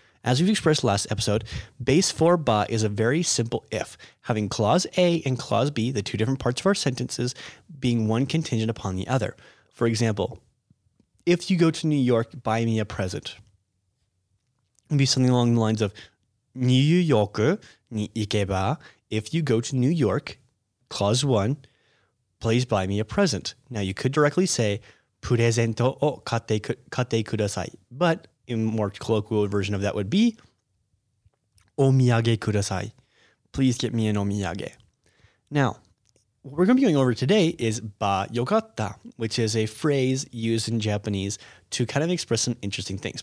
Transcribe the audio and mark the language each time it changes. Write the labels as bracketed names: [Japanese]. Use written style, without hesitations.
[English] As we've expressed last episode, base 4 ba is a very simple if, having clause A and clause B, the two different parts of our sentences, being one contingent upon the other. For example, if you go to New York, buy me a present. It'd be something along the lines of [Japanese] ニューヨークに行けば, [English] if you go to New York, clause 1, please buy me a present. Now you could directly say, [Japanese] プレゼントを買ってください。 [English] But a more colloquial version of that would be [Japanese] お土産ください。 [English] Please get me an お土産。 Now, what we're going to be going over today is ba yokatta, which is a phrase used in Japanese to kind of express some interesting things.